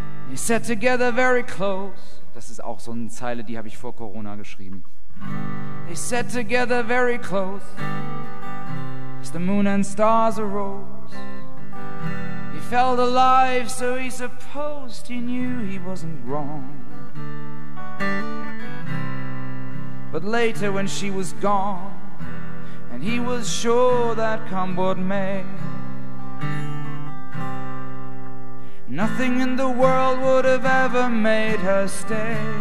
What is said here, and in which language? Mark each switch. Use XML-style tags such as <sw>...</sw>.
<en>We sat together very close.</en> <de>Das ist auch so eine Zeile, die habe ich vor Corona geschrieben.</de> <en>They sat together very close as the moon and stars arose. He felt alive, so he supposed he knew he wasn't wrong. But later when she was gone and he was sure that come what may, nothing in the world would have ever made her stay.</en>